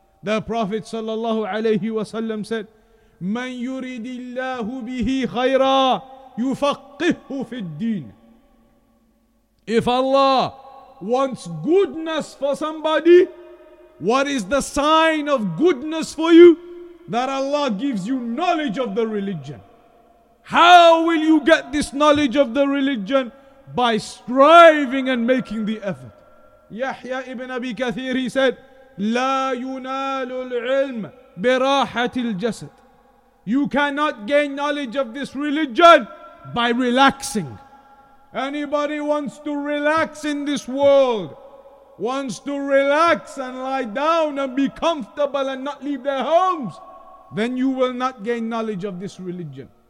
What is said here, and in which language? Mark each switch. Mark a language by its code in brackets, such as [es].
[en] The Prophet sallallahu alayhi wa sallam said, [ar] مَنْ يُرِدِ اللَّهُ بِهِ خَيْرًا يُفَقِّهُ فِي الدِّينِ [en] If Allah wants goodness for somebody, what is the sign of goodness for you? That Allah gives you knowledge of the religion. How will you get this knowledge of the religion? By striving and making the effort. Yahya ibn Abi Kathir, he said, [ar] لا ينال العلم براحة الجسد. [en] You cannot gain knowledge of this religion by relaxing. Anybody wants to relax in this world, wants to relax and lie down and be comfortable and not leave their homes, then you will not gain knowledge of this religion.